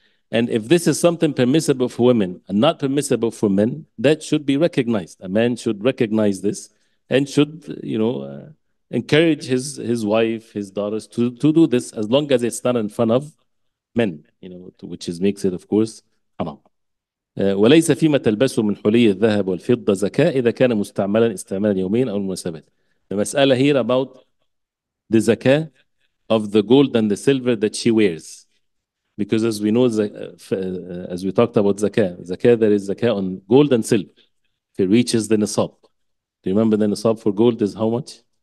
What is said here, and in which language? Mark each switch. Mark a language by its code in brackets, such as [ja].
[en] And if this is something permissible for women and not permissible for men, that should be recognized. A man should recognize this and should, you know, encourage his wife, his daughters to do this as long as it's not in front of men, you know, which is makes it, of course, haram. [ar] وليس فيما تلبسه من حلي الذهب والفضة زكاة إذا كان مستعملا استعمالا يومين أو المناسبات. [en] The mas'ala here about the zaka of the gold and the silver that she wears, because as we know, as we talked about zaka, there is zaka on gold and silver. If it reaches the nisab, do you remember the nisab for gold is how much?